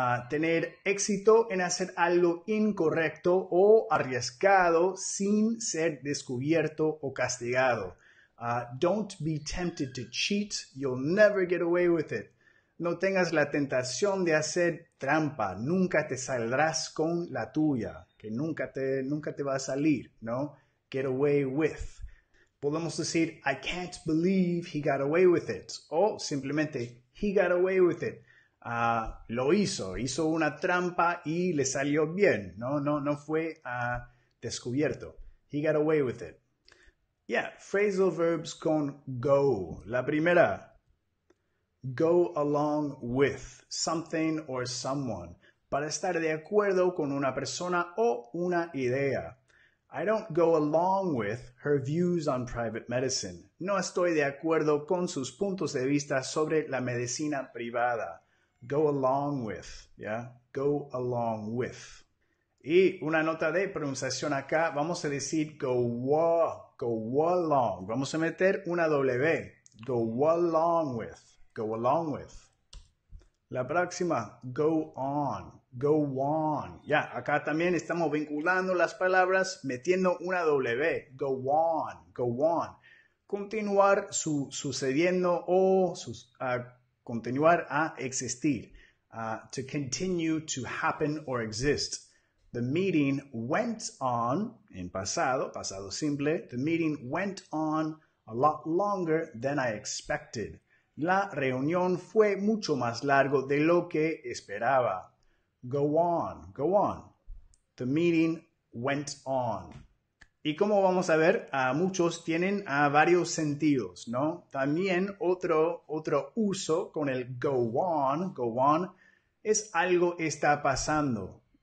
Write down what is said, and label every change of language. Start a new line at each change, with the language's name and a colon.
Spanish: Tener éxito en hacer algo incorrecto o arriesgado sin ser descubierto o castigado.
English: Don't be tempted to cheat. You'll never get away with it.
Spanish: No tengas la tentación de hacer trampa. Nunca te saldrás con la tuya, que nunca te va a salir, ¿no?
English: Get away with.
Spanish: Podemos decir,
English: I can't believe he got away with it.
Spanish: O simplemente,
English: he got away with it.
Spanish: Lo hizo una trampa y le salió bien, no fue descubierto.
English: He got away with it. Yeah, phrasal verbs con go.
Spanish: La primera,
English: go along with something or someone,
Spanish: para estar de acuerdo con una persona o una idea.
English: I don't go along with her views on private medicine.
Spanish: No estoy de acuerdo con sus puntos de vista sobre la medicina privada.
English: Go along with, yeah? Go along with.
Spanish: Y una nota de pronunciación acá, vamos a decir go along. Vamos a meter una W. Go along with, go along with. La próxima,
English: go on, yeah?
Spanish: Acá también estamos vinculando las palabras, metiendo una W. Go on, go on. Continuar sucediendo o continuar a existir.
English: to continue to happen or exist. The meeting went on,
Spanish: en pasado, pasado simple,
English: the meeting went on a lot longer than I expected.
Spanish: La reunión fue mucho más largo de lo que esperaba.
English: Go on, go on. The meeting went on.
Spanish: Y como vamos a ver, muchos tienen varios sentidos, ¿no? También otro uso con el go on, es algo está pasando.